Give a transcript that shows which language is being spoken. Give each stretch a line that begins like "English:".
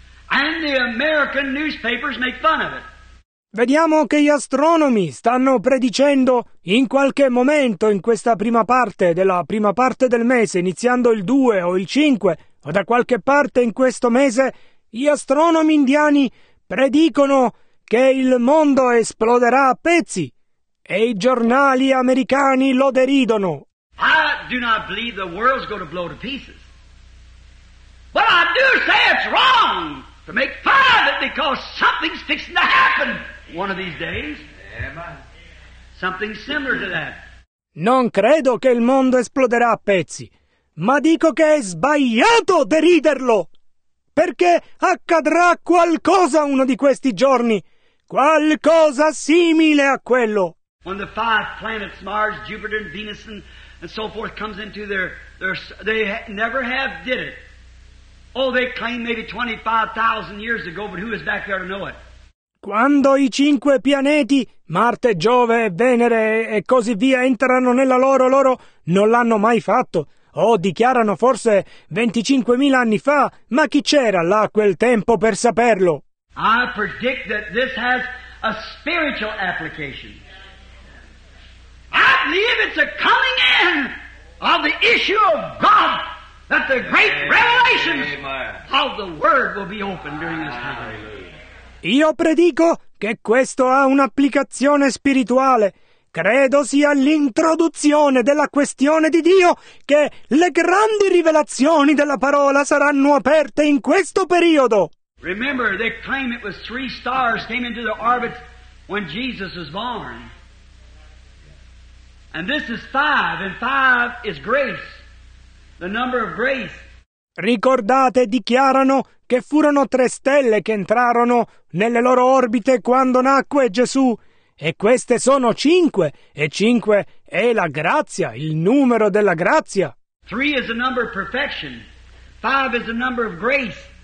English: And the American newspapers make fun of it.
Italian: Vediamo che gli astronomi stanno predicendo in qualche momento in questa prima parte della prima parte del mese, iniziando il 2 o il 5 o da qualche parte in questo mese, gli astronomi indiani predicono che il mondo esploderà a pezzi e i giornali americani lo deridono.
English: I do not believe the world's going to blow to pieces. But I do say it's wrong to make fun of it because something's fixing to happen one of these days. Something similar to that.
Italian: Non credo che il mondo esploderà a pezzi, ma dico che è sbagliato deriderlo, perché accadrà qualcosa uno di questi giorni, qualcosa simile a quello.
English: When the five planets, Mars, Jupiter, and Venus, and so forth, comes into their they never have did it. Oh, they claim maybe 25,000 years ago, but who is back there to know it?
Italian: Quando i cinque pianeti, Marte, Giove, Venere e così via, entrano nella loro, non l'hanno mai fatto. Dichiarano forse 25.000 anni fa, ma chi c'era là a quel tempo per saperlo?
English: I predict that this has a spiritual application. I believe it's a coming in of the issue of God, that the great revelations of the Word will be opened during this time.
Italian: Io predico che questo ha un'applicazione spirituale. Credo sia l'introduzione della questione di Dio, che le grandi rivelazioni della parola saranno aperte in questo periodo.
English: Remember, they claim it was three stars came into the orbit when Jesus was born. And this is five, and five is grace, the number of grace.
Italian: Ricordate, dichiarano che furono tre stelle che entrarono nelle loro orbite quando nacque Gesù. E queste sono cinque, e cinque è la grazia, il numero della grazia.
English: Three is the number of perfection. Five is the number of grace.